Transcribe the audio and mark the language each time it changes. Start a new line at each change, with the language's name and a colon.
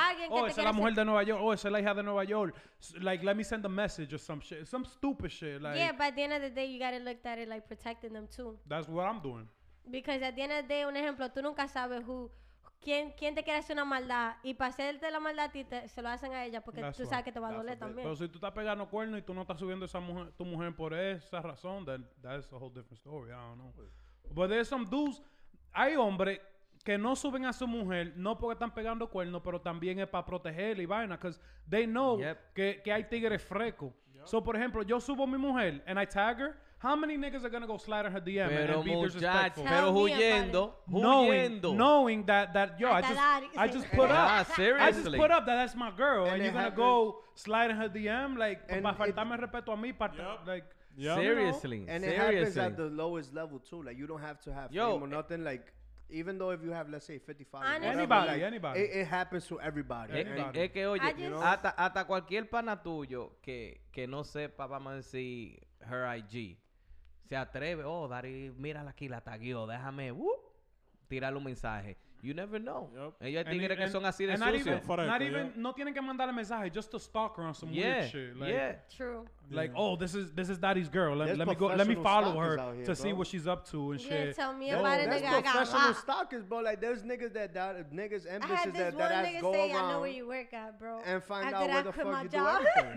Spanish: Oh, esa es la mujer de Nueva York. Oh, esa es la hija de Nueva York.
English: Like, let me send a message or some shit. Some stupid shit. Like, yeah, but at the end of the day, you got to look at it like protecting them too. That's what I'm doing. Because at the end of the day, un ejemplo, tú nunca sabes who...
Spanish: ¿Quién te quiere hacer una maldad? Y para hacerte la maldad a ti, se lo hacen a ella porque that's tú sabes right. que te va a doler también. Pero si tú estás pegando cuernos y tú no estás subiendo esa mujer, tu mujer por esa razón, then that's a whole different story. I don't know. But there's some dudes... Hay hombres que no suben a su mujer, no porque están pegando cuernos, pero también es para proteger y vaina, because they know que hay tigres frescos. Yep. So, por ejemplo, yo subo a mi mujer and I tag her.
English: How many niggas are going to go slide on her DM
Spanish: pero
English: and be disrespectful?
Spanish: Pero huyendo,
English: knowing that yo, I just put up. Ah, seriously. I just put up that's my girl. And you're going to go slide on her DM?
Spanish: Like, para faltarme respeto a mí,
English: yep. Seriously, you know? Seriously. It happens at the lowest level too. Like, you don't have to have fame or nothing. Like, even though if you have, let's say, 55, anybody. It happens to everybody.
Spanish: Es que oye, hasta cualquier pana tuyo que no sepa, vamos a decir, her IG, se atreve, oh, Dari, mírala aquí, la tagueó, déjame, tirarle un mensaje.
English: You never know. Yep.
Spanish: Ellos tienen que son así de sucios. No tienen que mandarle mensaje, just to stalk her on some weird shit. Like,
English: true. Like, oh, this is daddy's girl. Let me follow her to see what she's up to and shit. Yeah, tell me about it, nigga. That's professional stalkers, bro. Like, there's niggas and bitches that ask go around. I know where you work at, bro. And find out where the fuck you do everything.